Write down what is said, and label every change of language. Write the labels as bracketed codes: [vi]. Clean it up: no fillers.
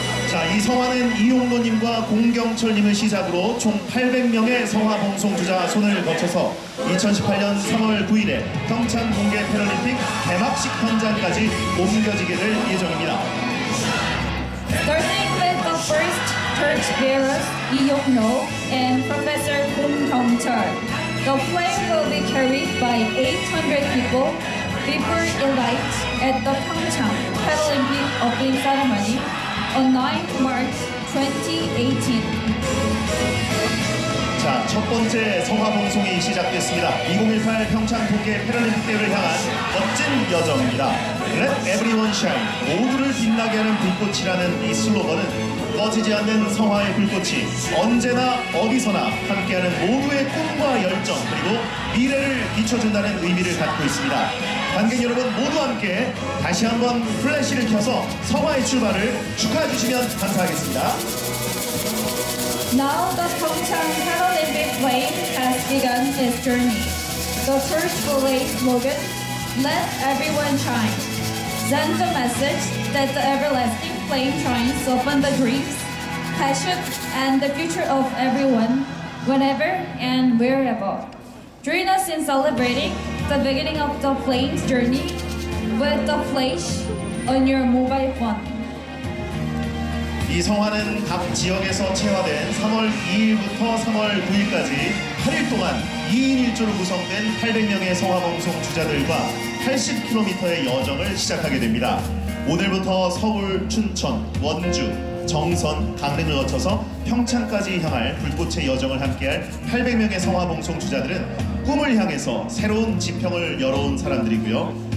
[ko] 자, 이 성화는 이용로님과 공경철님을 시작으로 총 800명의 성화 봉송 주자 손을 거쳐서 2018년 3월 9일에 평창 동계 패럴림픽 개막식 현장까지 옮겨지게 될 예정입니다. [en] Starting with the first torch bearers, Lee Yong-ho and Professor Kong Dong-chul. The flame will be carried by 800 people before it lights at the Pyeongchang Paralympic opening ceremony on 9th March 2018. [ko] 자, 첫 번째 성화봉송이 시작됐습니다. 2018 평창 동계 패럴림픽 대회를 향한 멋진 여정입니다. [en] Let everyone shine, [ko] 모두를 빛나게 하는 불꽃이라는 이 슬로건은 꺼지지 않는 성화의 불꽃이 언제나 어디서나 함께하는 모두의 꿈과 열정 그리고 미래를 비춰준다는 의미를 갖고 있습니다. 관객 여러분 모두 함께 다시 한번 플래시를 켜서 성화의 출발을 축하해 주시면 감사하겠습니다. [en] Now the Pyeongchang Paralympic flame has begun its journey. The first bullet slogan, Let Everyone Shine, sends a message that the everlasting flame shines upon the dreams, passion, and the future of everyone, whenever and wherever. Join us in celebrating the beginning of the flame's journey with the flash on your mobile phone. [ko] 이 성화는 각 지역에서 체화된 3월 2일부터 3월 9일까지 8일 동안 2인 1조로 구성된 800명의 성화봉송 주자들과 80km의 여정을 시작하게 됩니다. 오늘부터 서울, 춘천, 원주, 정선, 강릉을 거쳐서 평창까지 향할 불꽃의 여정을 함께할 800명의 성화봉송 주자들은 꿈을 향해서 새로운 지평을 열어온 사람들이고요.